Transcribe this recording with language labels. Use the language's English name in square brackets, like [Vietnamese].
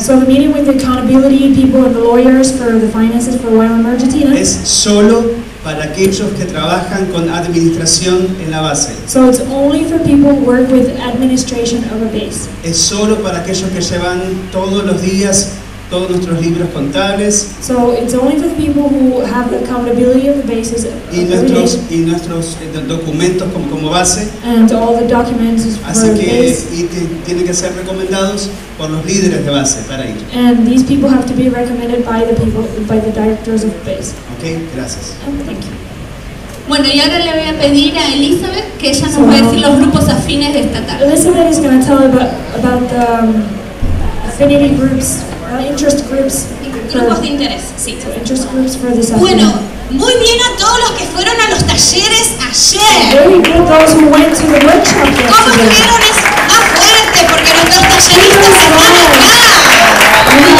[English] So the meeting with the accountability people and the lawyers for the finances for Wyoming Argentina. [Spanish] Es solo para aquellos que trabajan con administración en la base. [English] So it's only for people who work with administration of a base. [Spanish] Es solo para aquellos que llevan todos los días todos nuestros libros contables. [English] So it's only for the people who have the accountability of the bases. [Spanish] Y nuestros documentos como base. [English] And all the documents for base. [Spanish] Así que tienen que ser recomendados por los líderes de base para ir. [English] And these people have to be recommended by the people, by the directors of base. [Spanish] Okay, gracias. [English] Thank you. [Spanish] Bueno, y ahora le voy a pedir a Elizabeth que ella nos va a decir los grupos afines de esta tarde. [English] Elizabeth is going to tell about the affinity groups. Interest groups. [Spanish] Grupos de interés, sí. [English] Interest groups for this. [Spanish] Bueno, muy bien a todos los que fueron a los talleres ayer. [English] Very good, those who went to the workshop yesterday. [Spanish] ¿Cómo dijeron? Es más fuerte porque nuestros talleristas están acá.